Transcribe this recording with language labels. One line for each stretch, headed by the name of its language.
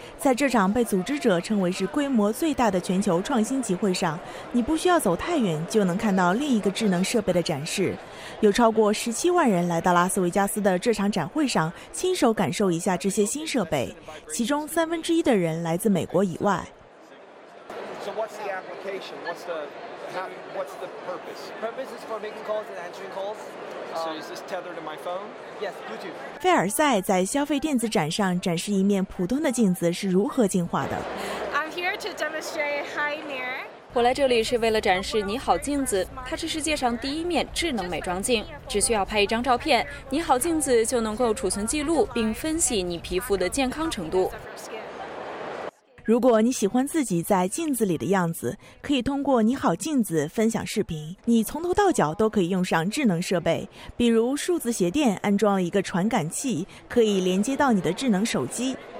Chinese: 在这场被组织者称为是规模最大的全球创新集会上，你不需要走太远就能看到另一个智能设备的展示。有超过17万人来到拉斯维加斯的这场展会上，亲手感受一下这些新设备，其中三分之一的人来自美国以外。
English: So what's the application? What's the purpose? Purpose is for making calls and answering calls. So is this tethered to my phone? Yes, Bluetooth.
Chinese: 菲尔赛在消费电子展上展示一面普通的镜子是如何进化的。
English: I'm here to demonstrate Hi-Mir.
Chinese: 我来这里是为了展示你好镜子，它是世界上第一面智能美妆镜，只需要拍一张照片，你好镜子就能够储存记录并分析你皮肤的健康程度。如果你喜欢自己在镜子里的样子，可以通过你好镜子分享视频，你从头到脚都可以用上智能设备，比如数字鞋垫安装了一个传感器，可以连接到你的智能手机。